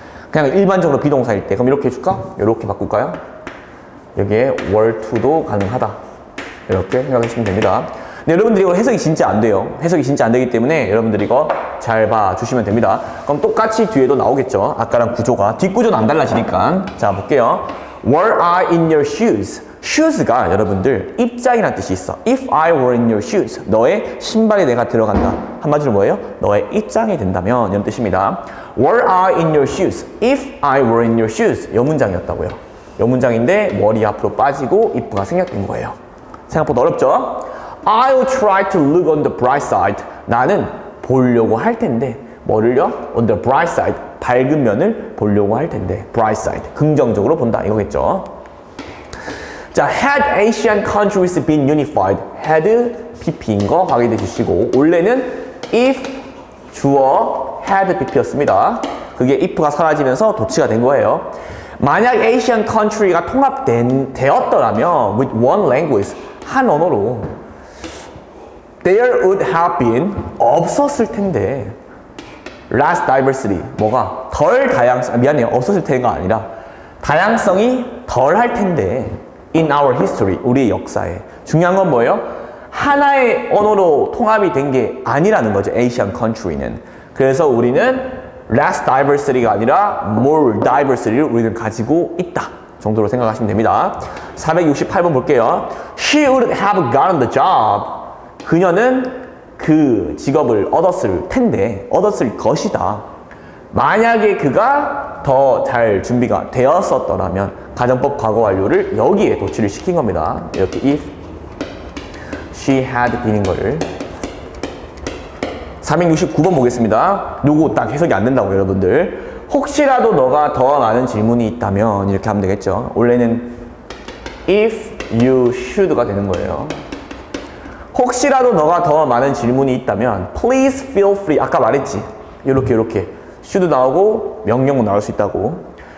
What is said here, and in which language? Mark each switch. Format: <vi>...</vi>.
<ko>그냥 일반적으로 비동사일 때 그럼 이렇게 해줄까? 이렇게 바꿀까요? 여기에 were to도 가능하다 이렇게 생각하시면 됩니다. 근데 여러분들이 이거 해석이 진짜 안 돼요. 해석이 진짜 안 되기 때문에 여러분들이 이거 잘 봐주시면 됩니다. 그럼 똑같이 뒤에도 나오겠죠. 아까랑 구조가 뒷구조는 안 달라지니까. 자, 볼게요.</ko> <en>Were I in your shoes?</en> <ko>Shoes가 여러분들 입장이란 뜻이 있어.</ko> <en>If I were in your shoes,</en> <ko>너의 신발에 내가 들어간다. 한마디로 뭐예요? 너의 입장이 된다면 이런 뜻입니다.</ko> <en>Were I in your shoes? If I were in your shoes,</en> <ko>이 문장이었다고요. 이 문장인데 were이 앞으로 빠지고 if가 생략된 거예요. 생각보다 어렵죠?</ko> <en>I'll try to look on the bright side.</en> <ko>나는 보려고 할 텐데. 뭐를요?</ko> <en>On the bright side.</en> <ko>밝은 면을 보려고 할 텐데. Bright side. 긍정적으로 본다. 이거겠죠?</ko> <en>자, had Asian countries been unified?</en> <ko>had pp인 거 확인해 주시고, 원래는 if 주어 had pp였습니다. 그게 if가 사라지면서 도치가 된 거예요. 만약 Asian country가 통합되었더라면</ko> <en>with one language,</en> <ko>한 언어로</ko> <en>there would have been,</en> <ko>없었을 텐데</ko> <en>less diversity, 뭐가?</en> <ko>덜 다양성, 미안해요. 없었을 텐가 아니라 다양성이 덜할 텐데</ko> <en>in our history,</en> <ko>우리의 역사에. 중요한 건 뭐예요? 하나의 언어로 통합이 된 게 아니라는 거죠, Asian country는. 그래서 우리는 less diversity가 아니라 more diversity를 우리는 가지고 있다 정도로 생각하시면 됩니다. 468번 볼게요.</ko> <en>She would have gotten the job.</en> <ko>그녀는 그 직업을 얻었을 텐데, 얻었을 것이다. 만약에 그가 더 잘 준비가 되었었더라면, 가정법 과거 완료를 여기에 도치를 시킨 겁니다. 이렇게</ko> <en>if she had been</en> <ko>인 거를. 369번 보겠습니다. 요거 딱 해석이 안 된다고 여러분들. 혹시라도 너가 더 많은 질문이 있다면 이렇게 하면 되겠죠. 원래는 if you should가 되는 거예요. 혹시라도 너가 더 많은 질문이 있다면</ko> <en>please feel free,</en> <ko>아까 말했지, 이렇게 should 나오고 명령문 나올 수 있다고.</ko>